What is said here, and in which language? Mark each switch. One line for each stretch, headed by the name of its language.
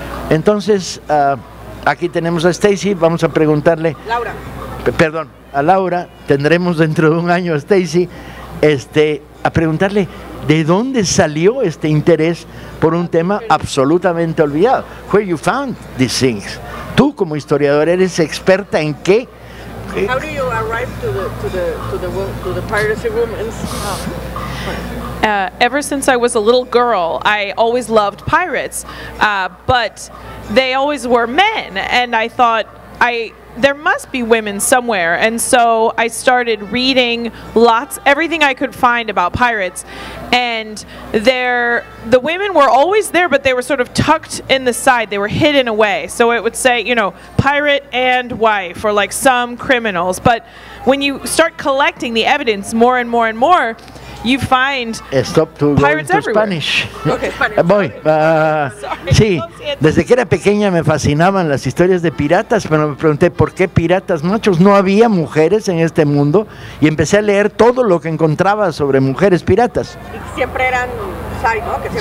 Spanish: Entonces, aquí tenemos a Stacy, vamos a preguntarle... Laura. Perdón, a Laura, tendremos dentro de un año a Stacy, a preguntarle de dónde salió este interés por un tema absolutamente olvidado.
English: Where you found these things?
Spanish: Tú, como historiador, ¿eres experta en qué?
English: How do you arrive to the piracy room and somehow? Ever since I was a little girl, I always loved pirates, but they always were men, and I thought, there must be women somewhere, and so I started reading everything I could find about pirates, and the women were always there, but they were sort of tucked in the side, they were hidden away, so it would say, you know, pirate and wife, or like some criminals, but when you start collecting the evidence more and more and more, you find stop to pirates go into everywhere. Spanish. Okay,
Spanish: voy. Sí, desde que era pequeña me fascinaban las historias de piratas, pero me pregunté por qué piratas machos. No había mujeres en este mundo y empecé a leer todo lo que encontraba sobre mujeres piratas. Y siempre eran side, ¿no?